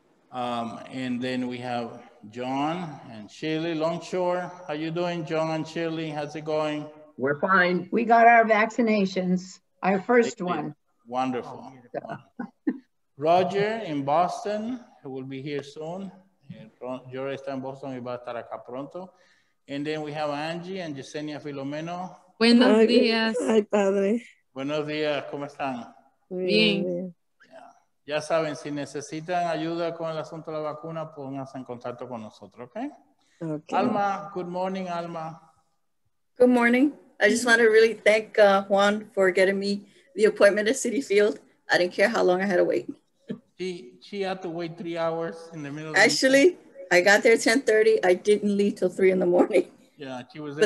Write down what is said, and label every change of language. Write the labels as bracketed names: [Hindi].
[English] And then we have John and Shirley Longshore. How you doing, John and Shirley? How's it going? We're fine. We got our vaccinations, our first one. Wonderful. Roger in Boston, who will be here soon. And [Spanish] Jory está en Boston y va a estar acá pronto. [English] And then we have Angie and Yesenia Filomeno. [Spanish] Buenos días. Ay, padre. Buenos días, ¿cómo están? Bien. Ya saben, si necesitan ayuda con el asunto de la vacuna, pónganse en contacto con nosotros, ¿ok? [English] Okay. Alma, good morning, Alma. Good morning. I just want to really thank Juan for getting me the appointment at Citi Field. I didn't care how long I had to wait. She had to wait 3 hours in the middle. Actually, I got there at 10:30. I didn't leave till 3 in the morning. Yeah, she was there.